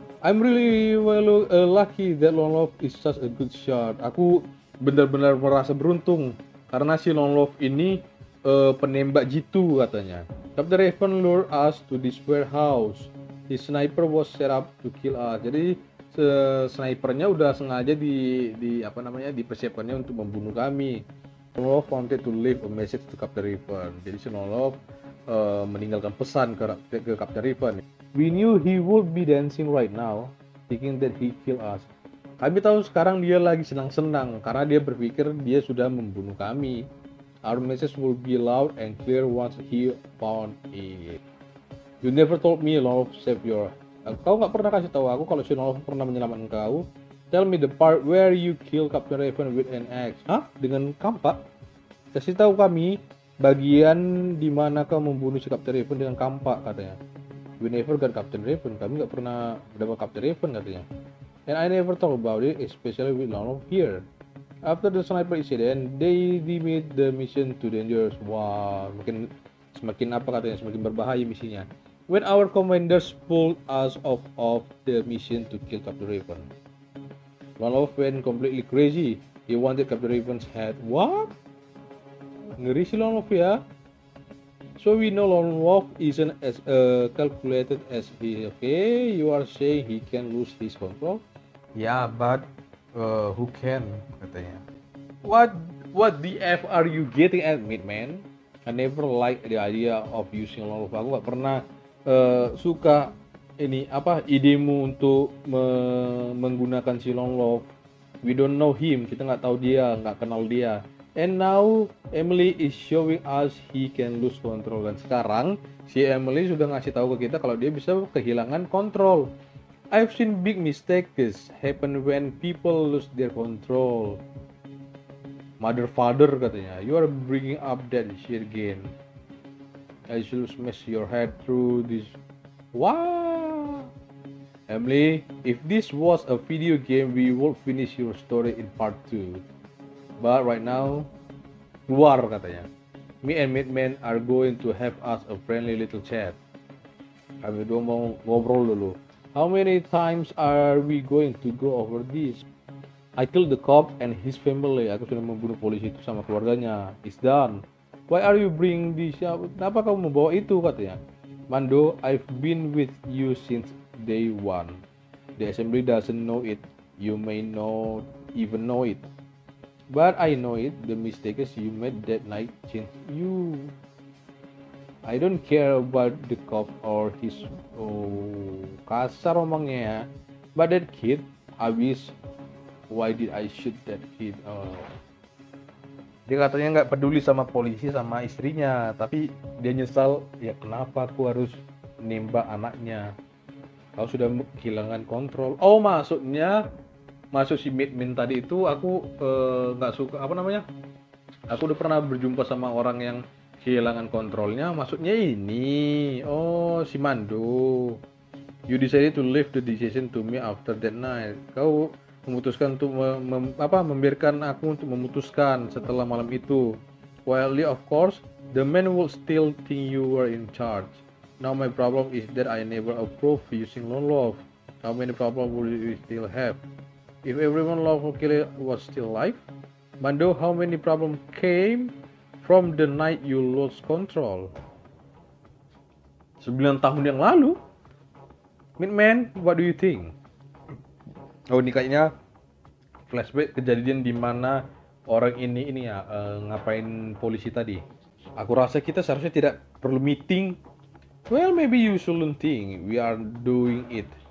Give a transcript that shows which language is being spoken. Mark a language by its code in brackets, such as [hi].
[en] I'm really well lucky that Lonlof is such a good shot. [id] Aku benar-benar merasa beruntung karena si Lonlof ini penembak jitu katanya. [en] Captain Raven lured us to this warehouse. His sniper was set up to kill us. [id] Jadi snipernya udah sengaja dipersiapkannya untuk membunuh kami. [en] Lonlof wanted to leave a message to Captain Raven. [id] Jadi si Lonlof meninggalkan pesan ke Captain Raven. [en] We knew he would be dancing right now, thinking that he killed us. [id] Kami tahu sekarang dia lagi senang-senang karena dia berpikir dia sudah membunuh kami. [en] Our message will be loud and clear once he found it. You never told me Lonlof saved your. [id] Kau nggak pernah kasih tahu aku kalau si Lonlof pernah menyelamatkan kau. [en] Tell me the part where you kill Captain Raven with an axe. [id] Hah? Dengan kampak? Kasih tahu kami bagian di mana kau membunuh si Captain Raven dengan kampak katanya. [en] We never got Captain Raven. [id] Kami nggak pernah dapat Captain Raven katanya. [en] And I never talk about it, especially with Lonlof here. After the sniper incident, they deemed the mission too dangerous. [id] Wow, semakin apa katanya, semakin berbahaya misinya. [en] When our commanders pulled us off the mission to kill Captain Raven, Lonlof went completely crazy. He wanted Captain Raven's head. What? [id] Ngeri si Lonlof ya. [en] So we know Lonlof isn't as calculated as he. Okay, you are saying he can lose his control? Yeah, but who can? Katanya. What the F are you getting at, Midman? I never liked the idea of using Lonlof. [id] Aku gak pernah suka ini apa idemu untuk menggunakan si Lonlof. [en] We don't know him. [id] Kita gak tahu dia, gak kenal dia. [en] And now Emily is showing us he can lose control. [id] Dan sekarang si Emily sudah ngasih tahu ke kita kalau dia bisa kehilangan kontrol. [en] I've seen big mistakes happen when people lose their control. Mother, father katanya. You are bringing up that shit again. I should smash your head through this. Wah. Emily, if this was a video game, we would finish your story in part 2. But right now, [id] keluar katanya. [en] Me and Midman are going to have us a friendly little chat. [id] Kami dua mau ngobrol dulu. [en] How many times are we going to go over this? I killed the cop and his family. [id] Aku sudah membunuh polisi itu sama keluarganya. [en] It's done. Why are you bring this up? [id] Kenapa kamu membawa itu katanya? [en] Mando, I've been with you since day one. The assembly doesn't know it. You may not even know it. But I know it, the mistakes you made that night changed you. I don't care about the cop or his... Oh, [id] kasar omongnya ya. [en] But that kid, I wish... Why did I shoot that kid? [id] Dia katanya gak peduli sama polisi sama istrinya. Tapi dia nyesal, ya kenapa aku harus nembak anaknya? Kau sudah kehilangan kontrol. Oh, maksudnya... Masuk si Midman tadi itu aku gak suka, apa namanya? Aku udah pernah berjumpa sama orang yang kehilangan kontrolnya. Maksudnya ini, oh si Mando. [en] You decided to leave the decision to me after that night. [id] Kau memutuskan untuk membiarkan aku untuk memutuskan setelah malam itu. [en] Quietly of course, the man will still think you were in charge. Now my problem is that I never approve using Lonlof. How many problems will you still have? If everyone Lonlof killed was still alive, Mando, how many problems came from the night you lost control? [id] 9 tahun yang lalu? [en] Midman, what do you think? [id] Oh, ini kayaknya flashback kejadian di mana orang ini ya, ngapain polisi tadi. Aku rasa kita seharusnya tidak perlu meeting. [en] Well, maybe you shouldn't think we are doing it.